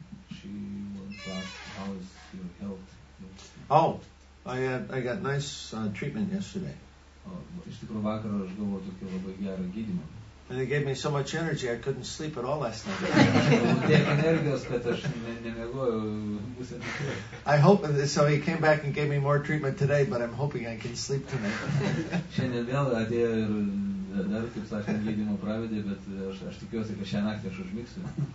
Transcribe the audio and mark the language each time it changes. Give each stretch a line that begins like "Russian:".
English: She wants to ask, how is your health? Oh! I got nice treatment yesterday.
Lithuanian: Iš tikrųjų vakar aš gavau tokio labai gerą gydymą.
English: And it gave me so much energy I couldn't sleep at all last night.
Lithuanian: Tiek energijos, kad aš nemiegojau.
English: I hope so. He came back and gave me more treatment today, but I'm hoping I can sleep tonight.
Lithuanian: Šiandien vėl atėjo ir dar kaip sakant gydymo pravedė, bet aš tikiuosi, kad šią naktį aš užmigsiu.